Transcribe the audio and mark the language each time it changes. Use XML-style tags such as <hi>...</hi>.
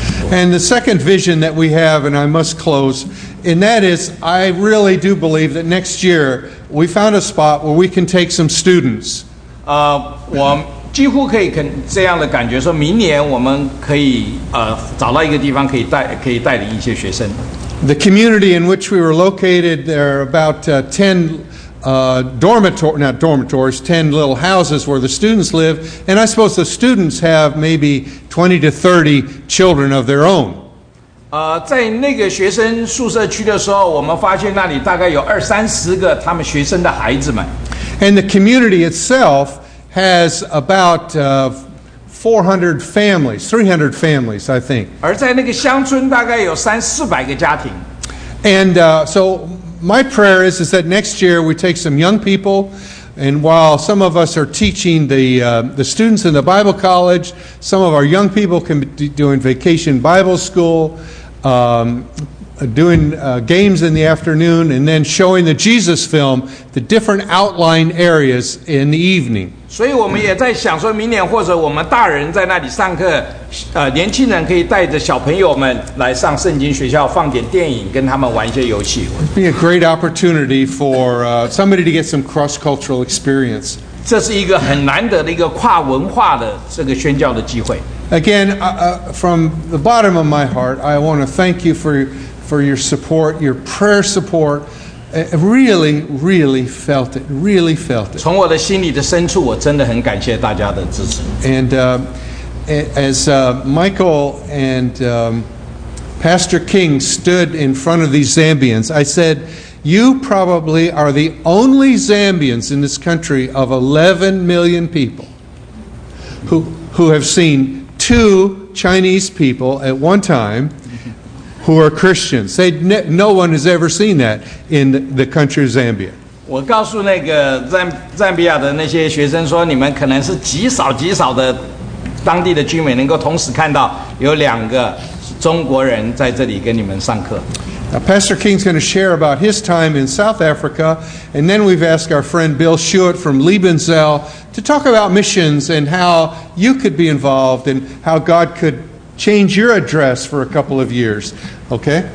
<en>And the second vision that we have, and I must close, and that is I really do believe that next year we found a spot where we can take some students.</en> <zh>我几乎可以这样的感觉说明年我们可以找到一个地方可以带领一些学生。</zh> <en>The community in which we were located, there are about 10 10 little houses where the students live, and I suppose the students have maybe 20 to 30 children of their own.</en> <zh>在那个学生宿舍区的时候，我们发现那里大概有二三十个他们学生的孩子们。</zh> <en>And the community itself has about 400 families, 300 families, I think.</en> <zh>而在那个乡村大概有三四百个家庭。</zh> <en>And so my prayer is that next year we take some young people, and while some of us are teaching the students in the Bible college, some of our young people can be doing vacation Bible school, doing games in the afternoon, and then showing the Jesus film, the different outline areas in the evening.</en> <zh>所以我们也在想说，明年或者我们大人在那里上课，年轻人可以带着小朋友们来上圣经学校，放点电影，跟他们玩一些游戏。</zh> <en>It'd be a great opportunity for somebody to get some cross-cultural experience.</en> <zh>这是一个很难得的一个跨文化的这个宣教的机会。</zh> <en>Again, from the bottom of my heart, I want to thank you for your support, your prayer support. I really, really felt it. Really felt it.</en> <zh>从我的心里的深处，我真的很感谢大家的支持。</zh> <en>And as Michael and Pastor King stood in front of these Zambians, I said, "You probably are the only Zambians in this country of 11 million people who have seen two Chinese people at one time." Who are Christians? No one has ever seen that in the country of Zambia.</en> <zh>我告诉那个赞比亚的那些学生说，你们可能是极少极少的当地的居民能够同时看到有两个中国人在这里跟你们上课。</zh> <en>Now, Pastor King's going to share about his time in South Africa, and then we've asked our friend Bill Schuett from Liebenzell to talk about missions and how you could be involved and how God could. Change your address for a couple of years, okay?</en>